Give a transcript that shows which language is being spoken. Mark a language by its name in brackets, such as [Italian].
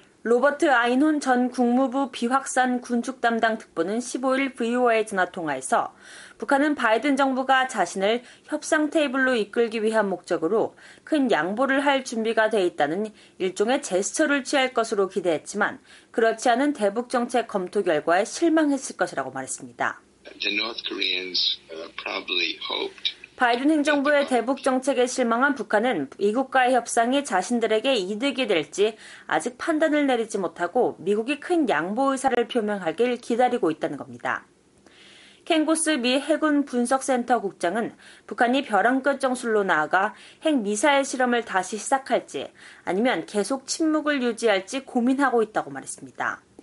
[Korean] 로버트 아인혼 전 국무부 비확산 군축 담당 특보는 15일 VOA 전화통화에서 북한은 바이든 정부가 자신을 협상 테이블로 이끌기 위한 목적으로 큰 양보를 할 준비가 돼 있다는 일종의 제스처를 취할 것으로 기대했지만 그렇지 않은 대북 정책 검토 결과에 실망했을 것이라고 말했습니다. [English] The North Koreans probably hoped. [Korean] 바이든 행정부의 대북 정책에 실망한 북한은 미국과의 협상이 자신들에게 이득이 될지 아직 판단을 내리지 못하고 미국이 큰 양보 의사를 표명하길 기다리고 있다는 겁니다. 켄고스 미 해군 분석센터 국장은 북한이 벼랑끝 정수로 나아가 핵미사일 실험을 다시 시작할지 아니면 계속 침묵을 유지할지 고민하고 있다고 말했습니다.